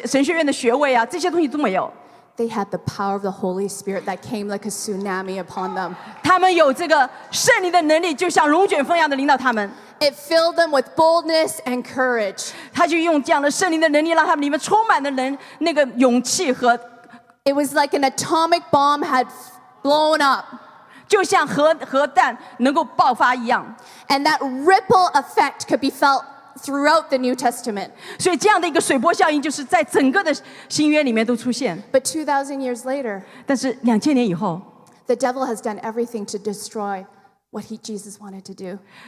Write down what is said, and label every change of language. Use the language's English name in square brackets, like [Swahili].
[Chinese] 他们当时没有那些高科技，没有这些好像Zoom啊，没有这些好像这个神学院的学位啊，这些东西都没有。 [English] They had the power of the Holy Spirit that came like a tsunami upon them. [Chinese] 他们有这个圣灵的能力，就像龙卷风一样的领导他们。 [English] It filled them with boldness and courage. [Chinese] 他就用这样的圣灵的能力，让他们里面充满了能那个勇气和。 [English] It was like an atomic bomb had blown up. [Chinese] 就像核弹能够爆发一样。 [English] And that ripple effect could be felt throughout the New Testament. [Chinese] 所以这样的一个水波效应就是在整个的新约里面都出现。 [English] But 2,000 years later, [Chinese] 但是2000年以后, [English] the devil has done everything to destroy what Jesus wanted to do.